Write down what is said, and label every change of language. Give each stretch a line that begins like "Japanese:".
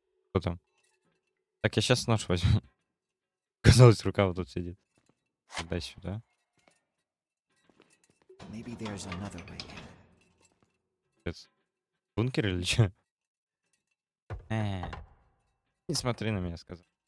Russian: Что там? Так, я сейчас нож возьму. Казалось, рука вот тут сидит. Дай сюда.
English: Maybe there's another way.
Russian: Бункер или что? Не смотри на меня, сказал.